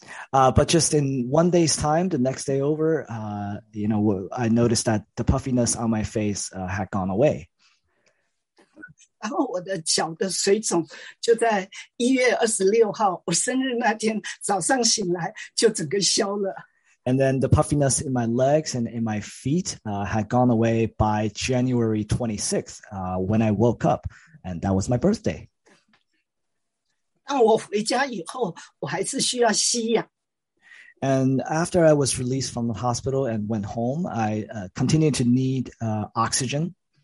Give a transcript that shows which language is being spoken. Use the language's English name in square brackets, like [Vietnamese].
[English] But just in one day's time, the next day over, I noticed that the puffiness on my face had gone away. [Chinese] 然后我的脚的水肿就在1月26号，我生日那天早上醒来就整个消了。 [English] And then the puffiness in my legs and in my feet had gone away by January 26th when I woke up, and that was my birthday. [Chinese] 但我回家以后，我还是需要吸氧。 [English] And after I was released from the hospital and went home, I continued to need oxygen.